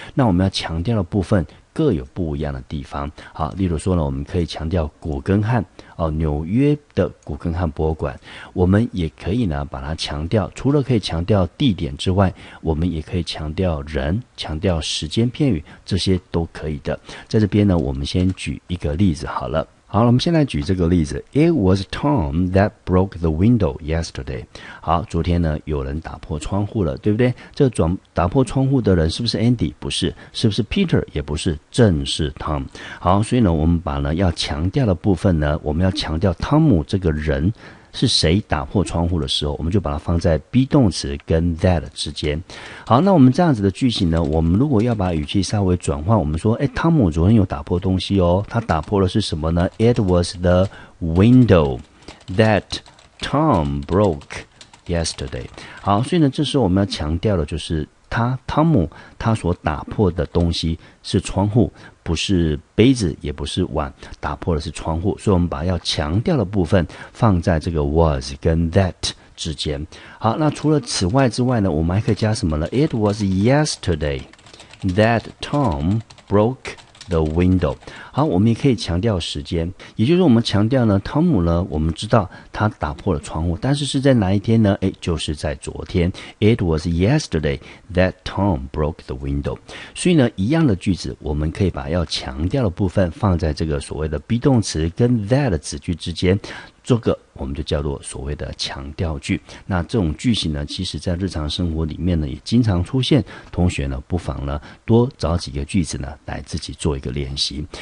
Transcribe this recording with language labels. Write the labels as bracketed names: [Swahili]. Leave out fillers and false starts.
[Chinese] 那我们要强调的部分各有不一样的地方。好，例如说呢我们可以强调古根汉，纽约的古根汉博物馆，我们也可以呢把它强调，除了可以强调地点之外，我们也可以强调人，强调时间片语，这些都可以的。在这边呢我们先举一个例子好了。好，我们先来举这个例子。 [English] It was Tom that broke the window yesterday. [Chinese] 好，昨天呢有人打破窗户了，对不对？这打破窗户的人是不是 Andy? 不是。是不是 Peter? 也不是。正是 Tom。好，所以呢我们把呢要强调的部分呢，我们要强调汤姆这个人是谁打破窗户的时候，我们就把它放在 be 动词跟 that 之间。好，那我们这样子的句型呢，我们如果要把语气稍微转换，我们说诶，汤姆昨天有打破东西哦，他打破的是什么呢？ [English] It was the window that Tom broke yesterday。 [Chinese] 好，所以呢这时候我们要强调的就是他汤姆他所打破的东西是窗户，不是杯子也不是碗，打破的是窗户，所以我们把要强调的部分放在这个 was 跟 that 之间。好，那除了此外之外呢，我们还可以加什么呢？ [English] It was yesterday that Tom broke the window。 [Chinese] 好，我们也可以强调时间，也就是我们强调呢汤姆呢我们知道他打破了窗户，但是是在哪一天呢？诶，就是在昨天。 [English] It was yesterday that Tom broke the window。 [Chinese] 所以呢一样的句子，我们可以把要强调的部分放在这个所谓的 be 动词跟 that 子句之间，做个我们就叫做所谓的强调句。那这种句型呢，其实在日常生活里面呢也经常出现，同学呢不妨呢多找几个句子呢来自己做一个练习。